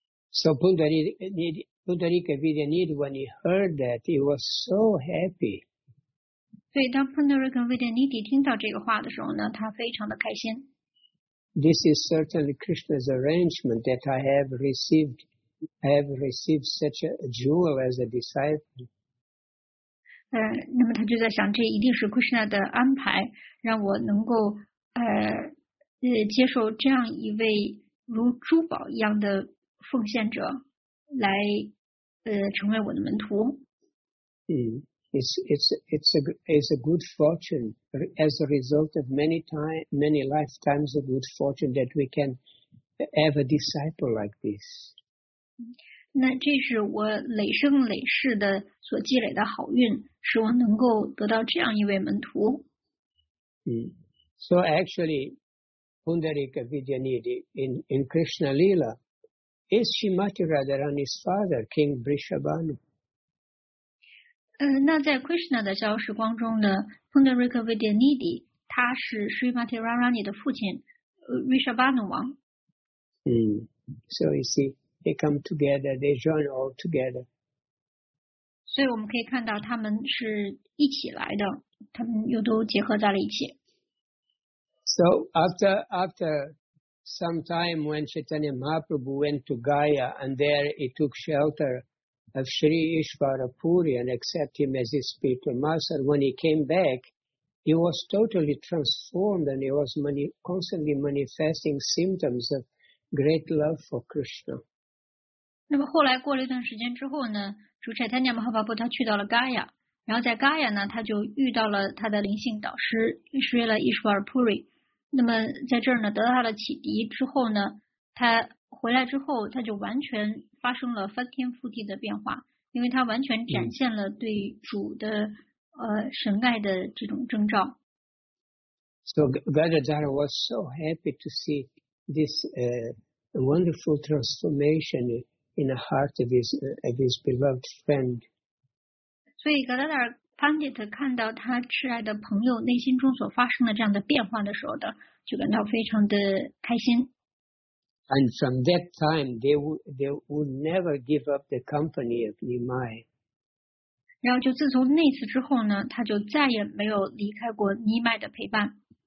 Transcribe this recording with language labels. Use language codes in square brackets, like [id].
[en] So Pundarika Vidyanidhi, when he heard that, he was so happy. [zh] 所以当 Pundarika Vidyaniti 听到这个话的时候呢，他非常的开心。 [en] This is certainly Krishna's arrangement that I have received. I have received such a jewel as a disciple. [zh] 那么他就在想，这一定是 Krishna 的安排，让我能够接受这样一位如珠宝一样的奉献者来成为我的门徒。 [en] It's a good fortune as a result of many lifetimes of good fortune that we can have a disciple like this. [zh] 那这是我累生累世的所积累的好运，使我能够得到这样一位门徒。 [en] So actually, Pundarika Vidyaniti in Krishna Lila is Srimati Radharani's father, King Vrishabhanu. [zh] 那在 Krishna 的逍遥时光中呢 Pundarika Vidyaniti 他是 Srimati Radharani 的父亲 Vrishabhanu 王。 [en] So you see, they come together, they join all together. [zh] 所以我们可以看到他们是一起来的，他们又都结合在了一起。 [en] So after some time when Chaitanya Mahaprabhu went to Gaya and there he took shelter,of Sri Ishvara Puri and accept him as his spiritual master. When he came back, he was totally transformed and he was constantly manifesting symptoms of great love for Krishna. [zh] 那么后来过了一段时间之后呢，主持他念摩诃巴布他去到了 Gaya， 然后在 Gaya 呢，他就遇到了他的灵性导师 Sri Ishvara Puri。那么在这儿呢，得到了启迪之后呢，他回来之后，他就完全发生了翻天覆地的变化，因为他完全展现了对主的神爱的这种征兆。 [en] So Gadadhara was so happy to see this wonderful transformation in the heart of his beloved friend. [zh] 所以 Gadadhara Pandit 看到他挚爱的朋友内心中所发生的这样的变化的时候的，就感到非常的开心。 [en] And from that time, they would never give up the company of Nimai. [zh] 然后就自从那次之后呢，他就再也没有离开过尼麦的陪伴。